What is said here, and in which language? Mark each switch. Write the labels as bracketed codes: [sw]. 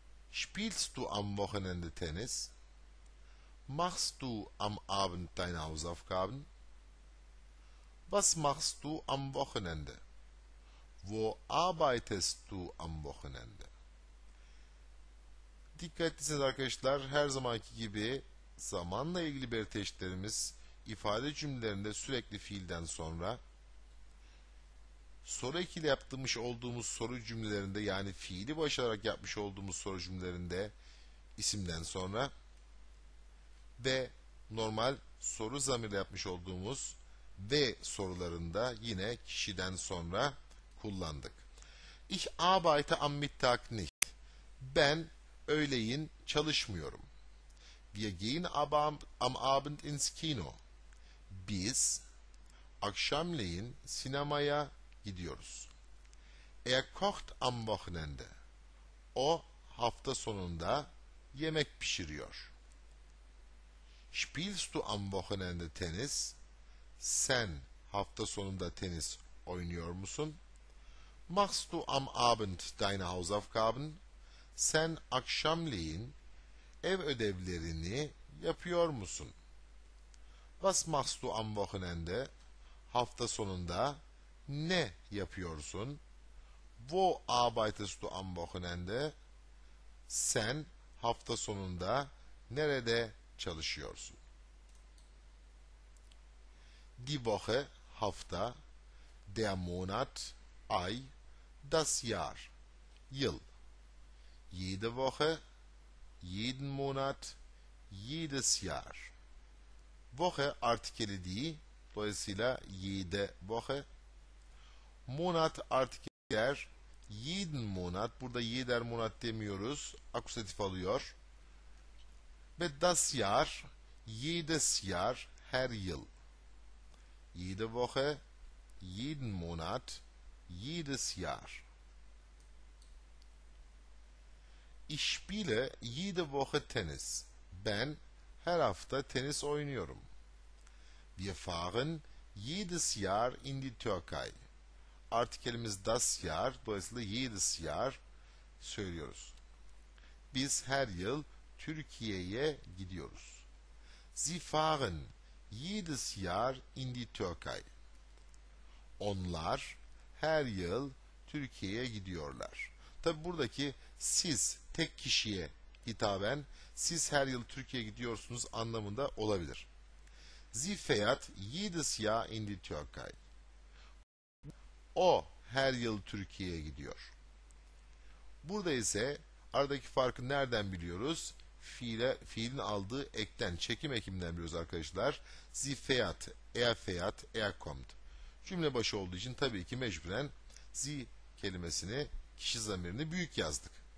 [de] Spielst du am Wochenende Tennis? Machst du am Abend deine Hausaufgaben? Was machst du am Wochenende? Wo arbeitest du am Wochenende? [tr] Dikkatlisiniz arkadaşlar, her zamanki gibi zamanla ilgili belirteçlerimiz ifade cümlelerinde sürekli fiilden sonra, soru ekili yapmış olduğumuz soru cümlelerinde, yani fiili başararak yapmış olduğumuz soru cümlelerinde isimden sonra ve normal soru zamirle yapmış olduğumuz ve sorularında yine kişiden sonra kullandık. [de] Ich arbeite am Mittag nicht. [tr] Ben öğleyin çalışmıyorum. [de] Wir gehen am Abend ins Kino. [tr] Biz akşamleyin sinemaya gidiyoruz. [de] Er kocht am Wochenende. [tr] O hafta sonunda yemek pişiriyor. [de] Spielst du am Wochenende Tennis? [tr] Sen hafta sonunda tenis oynuyor musun? [de] Machst du am Abend deine Hausaufgaben? [tr] Sen akşamleyin ev ödevlerini yapıyor musun? [de] Was machst du am Wochenende? [tr] Hafta sonunda ne yapıyorsun? [de] Wo arbeitest du am Wochenende? [tr] Sen hafta sonunda nerede çalışıyorsun? [de] Die Woche, hafta. Der Monat, ay. Das Jahr, yıl. Jede Woche, jeden Monat, jedes Jahr. [tr] Woche artikeli değil, dolayısıyla [de] jede Woche. [tr] Monat artikeli yer, [de] jeden Monat, [tr] burada [de] jeder Monat [tr] demiyoruz, akusatif alıyor. [de] Ve das Jahr, jedes Jahr, [tr] her yıl. [de] Jede Woche, jeden Monat, jedes Jahr. Ich spiele jede Woche Tennis. [tr] Ben her hafta tenis oynuyorum. [de] Wir fahren jedes Jahr in die Türkei. [tr] Artikelimiz [de] das Jahr, [tr] dolayısıyla [de] jedes Jahr [tr] söylüyoruz. Biz her yıl Türkiye'ye gidiyoruz. [de] Sie fahren jedes Jahr in die Türkei. [tr] Onlar her yıl Türkiye'ye gidiyorlar. Tabi buradaki siz tek kişiye hitaben siz her yıl Türkiye'ye gidiyorsunuz anlamında olabilir. [de] Sie fährt jedes Jahr in die Türkei. [tr] O her yıl Türkiye'ye gidiyor. Burada ise aradaki farkı nereden biliyoruz? Fiilin aldığı ekten, çekim ekiminden biliyoruz arkadaşlar. [de] Sie fährt, er fährt, er kommt. [tr] Cümle başı olduğu için tabii ki mecburen sie kelimesini, kişi zamirini büyük yazdık.